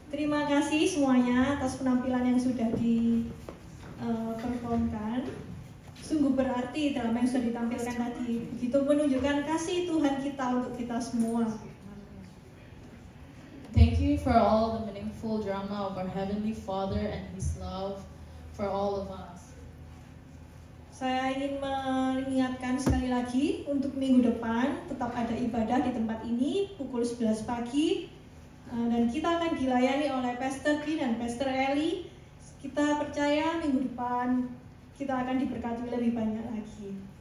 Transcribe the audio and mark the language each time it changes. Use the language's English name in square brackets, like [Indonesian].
[Indonesian] kasih semuanya atas penampilan yang sudah diperformkan. Sungguh berarti drama yang sudah ditampilkan tadi. Begitu menunjukkan kasih Tuhan kita untuk kita semua. [English] Thank you for all the meaningful drama of our Heavenly Father and His love for all of us. [Indonesian] Saya ingin mengingatkan sekali lagi untuk minggu depan tetap ada ibadah di tempat ini pukul 11 pagi. Dan kita akan dilayani oleh Pastor Dean dan Pastor Ellie. Kita percaya minggu depan kita akan diberkati lebih banyak lagi.